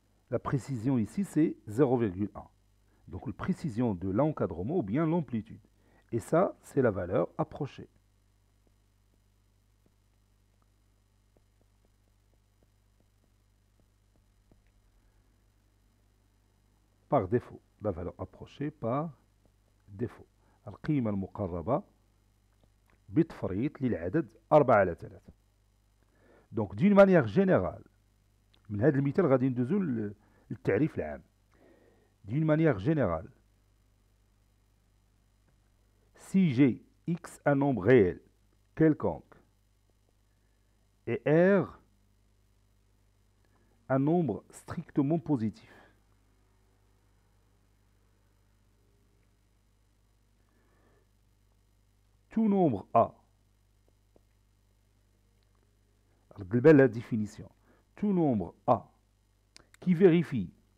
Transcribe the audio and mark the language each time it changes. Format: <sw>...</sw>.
<fr>La précision ici, c'est 0,1. Donc, la précision de l'encadrement ou bien l'amplitude. Et ça, c'est la valeur approchée. Par défaut. La valeur approchée par défaut.</fr> <ar>القيمة المقربة بتفريط للعدد 4 على 3.</ar> <fr>Donc, d'une manière générale,</fr> <ar>من هذا المثال غادي ندوزو للتعريف العام.</ar> <fr>D'une manière générale, si j'ai x un nombre réel quelconque et r un nombre strictement positif, tout nombre a, la définition, tout nombre a qui vérifie</fr>